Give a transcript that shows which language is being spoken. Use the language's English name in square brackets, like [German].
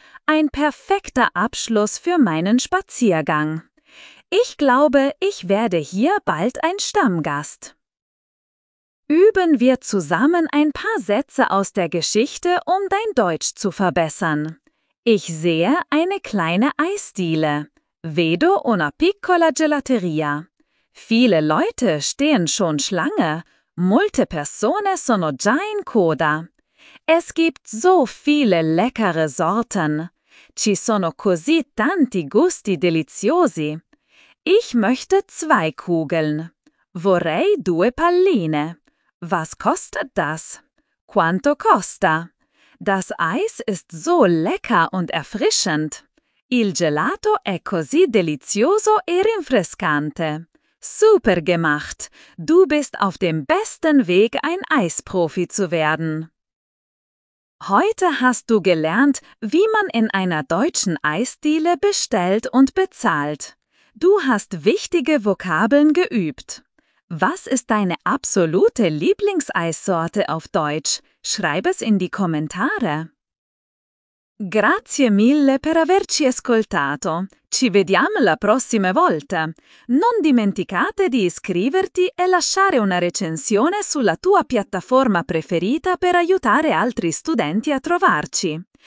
[German] Ein perfekter Abschluss für meinen Spaziergang. Ich glaube, ich werde hier bald ein Stammgast. Üben wir zusammen ein paar Sätze aus der Geschichte, um dein Deutsch zu verbessern. Ich sehe eine kleine Eisdiele. [Italian] Vedo una piccola gelateria. [German] Viele Leute stehen schon Schlange. [Italian] Molte persone sono già in coda. [German] Es gibt so viele leckere Sorten. [Italian] Ci sono così tanti gusti deliziosi. [German] Ich möchte 2 Kugeln. [Italian] Vorrei 2 palline. [German] Was kostet das? [Italian] Quanto costa? [German] Das Eis ist so lecker und erfrischend. [Italian] Il gelato è così delizioso e rinfrescante. [German] Super gemacht! Du bist auf dem besten Weg, ein Eisprofi zu werden. Heute hast du gelernt, wie man in einer deutschen Eisdiele bestellt und bezahlt. Du hast wichtige Vokabeln geübt. Was ist deine absolute Lieblingseissorte auf Deutsch? Schreib es in die Kommentare. [Italian] Grazie mille per averci ascoltato. Ci vediamo la prossima volta. Non dimenticate di iscriverti e lasciare una recensione sulla tua piattaforma preferita per aiutare altri studenti a trovarci.